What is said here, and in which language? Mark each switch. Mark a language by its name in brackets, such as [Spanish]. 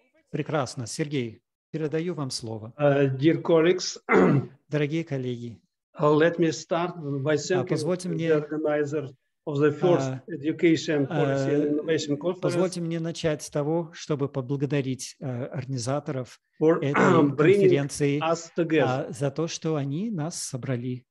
[Russian] Прекрасно. Сергей, передаю вам слово. [English] Dear colleagues, [Russian] дорогие коллеги, [English] Let me start by thanking the organizer of the first Education Policy and Innovation Conference. [Russian] Позвольте мне начать с того, чтобы поблагодарить организаторов этой конференции за то, что они нас собрали